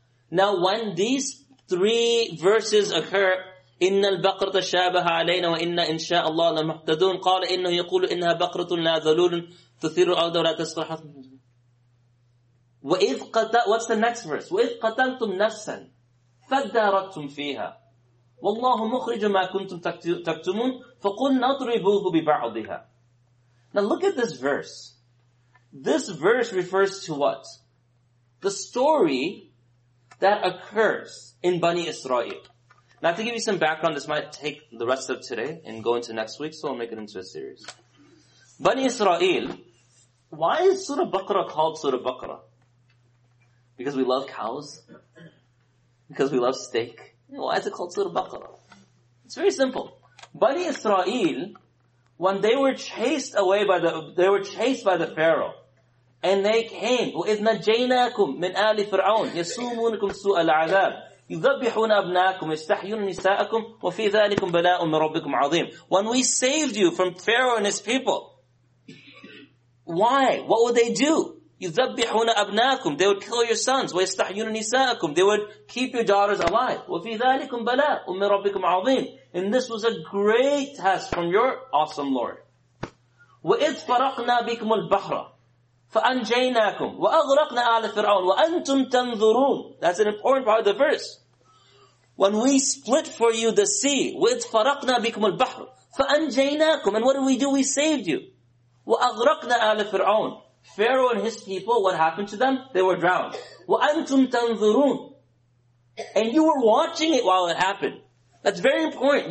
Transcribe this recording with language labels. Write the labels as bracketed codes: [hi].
[ar] Now when these three verses occur, إِنَّ الْبَقْرَةَ شَابَهَ عَلَيْنَا وَإِنَّا إِنْ شَاءَ اللَّهُ لَمُحْتَدُونَ قَالَ إِنَّهُ يَقُولُ إِنَّهَا بَقْرَةٌ لَا ذَلُولٌ تُثِيرُ الْأَرْضَ وَلَا تَسْقِي الْحَرْثَ وَإِذْ قَتَلْتُمْ [en] What's the next verse? [ar] وَإِذْ قَتَلْتُمْ نَفْسًا فَادَّارَأْتُمْ فِيهَا وَاللَّهُ مُخْرِجُ مَا كُنْتُمْ تَكْتُمُونَ فَقُلْنَا اضْرِبُوهُ بِبَعْضِهَا [en] Now look at this verse. This verse refers to what? The story that occurs in Bani Israel. Now to give you some background, this might take the rest of today and go into next week, so I'll make it into a series. Bani Israel, why is Surah Baqarah called Surah Baqarah? Because we love cows? Because we love steak? Why is it called Surah Baqarah? It's very simple. Bani Israel, when they were chased away by the Pharaoh, and they came. [ar] وَإِذْ نَجَيْنَاكُمْ مِنْ آلِ فِرْعَوْنَ يَسُومُونَكُمْ سُوءَ الْعَذَابِ يُذَبِّحُونَ أَبْنَاءَكُمْ يَسْتَحْيُونَ نِسَاءَكُمْ وَفِي ذَلِكُمْ بَلَاءٌ مِنْ رَبِّكُمْ عَظِيمٌ [en] When we saved you from Pharaoh and his people, why? What would they do? [ar] يُذَبِّحُونَ أَبْنَاءَكُمْ [en] They would kill your sons. [ar] وَيَسْتَحْيُونَ نِسَاءَكُمْ [en] They would keep your daughters alive. [ar] وَفِي ذَلِكُمْ بَلَاءٌ مِنْ رَبِّكُمْ عَظِيمٌ [en] And this was a great test from your awesome Lord. [ar] وَإِذْ فَرَقْنَا بِكُمُ الْبَحْرَ فَأَنْجَيْنَاكُمْ وَأَغْرَقْنَا آلَ فِرْعَوْنَ وَأَنْتُمْ تَنْظُرُونَ [en] That's an important part of the verse. when we split for you the sea, [ar] وَإِتْفَرَقْنَا بِكُمُ الْبَحْرُ فَأَنْجَيْنَاكُمْ. [en] And what did we do? We saved you. [ar] وَأَغْرَقْنَا آلَ فِرْعَوْنَ. [en] Pharaoh and his people, what happened to them? They were drowned. [ar] وَأَنْتُمْ تَنْظُرُونَ. [en] And you were watching it while it happened. That's very important.